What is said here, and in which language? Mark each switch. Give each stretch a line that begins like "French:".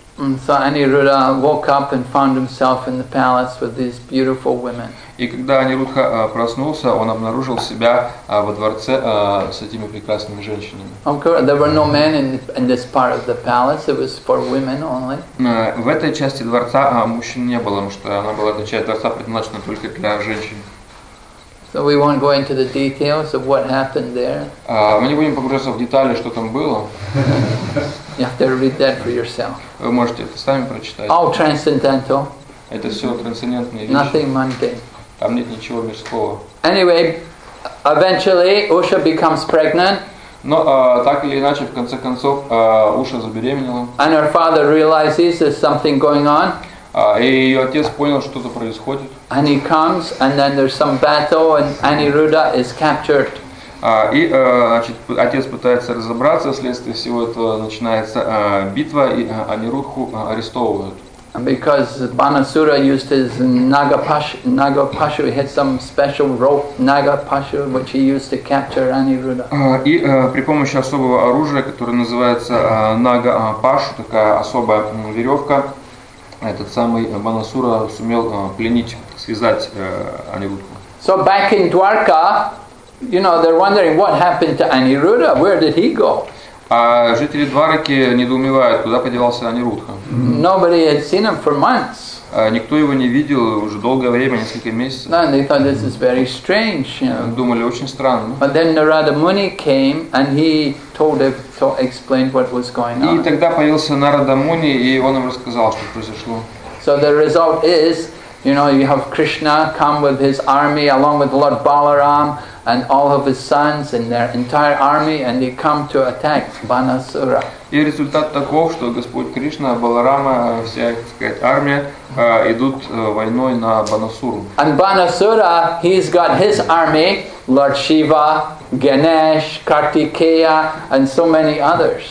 English: So Aniruddha woke up and found himself in the palace with these beautiful women.
Russian: И когда Анирудха проснулся, он обнаружил себя во дворце с этими прекрасными женщинами.
English: There were no men in this part of the palace. It was for women only.
Russian: В этой части дворца мужчин не было, потому что она была, эта часть дворца предназначена только для женщин.
English: So we won't go into the details of what happened there.
Russian: Мы не будем погружаться в детали, что там было.
English: You have to read that for yourself.
Russian: Вы можете это сами прочитать.
English: All transcendental.
Russian: Это все трансцендентные вещи.
English: Nothing mundane.
Russian: Там нет ничего мирского.
English: Anyway, eventually Usha becomes pregnant.
Russian: Но так или иначе, в конце концов, Usha забеременела.
English: And her father realizes there's something going on.
Russian: И ее отец понял, что что-то происходит.
English: And he comes, and then there's some battle, and Aniruddha is captured.
Russian: И, значит, отец пытается разобраться, вследствие всего этого начинается битва, и Анируху арестовывают.
English: Because Banasura used his Nagapashu, he had some special rope, Nagapashu, which he used to capture Aniruddha.
Russian: И при помощи особого оружия, которое называется Нагапашу, такая особая веревка, этот самый Банасура сумел пленить, связать Анируддху.
English: So back in Dwarka, you know, they're wondering what happened to Aniruddha, where did he go?
Russian: А жители Двараки недоумевают, куда подевался Анирудха.
English: Nobody had seen him for months.
Russian: Никто его не видел уже долгое время, несколько месяцев.
English: And they thought this is very strange, you know.
Russian: Думали, очень странно.
English: But then Narada Muni came and he told him to explain what was going on.
Russian: И тогда появился Нарада Муни, и он им рассказал, что произошло.
English: So the result is, you know, you have Krishna come with his army along with Lord Balaram and all of his sons and their entire army, and they come to attack Banasura.
Russian: И результат таков, что Господь Кришна, Баларама, вся, так сказать, армия идут войной на Банасуру.
English: And Banasura, he's got his army, Lord Shiva, Ganesh, Kartikeya, and so many others.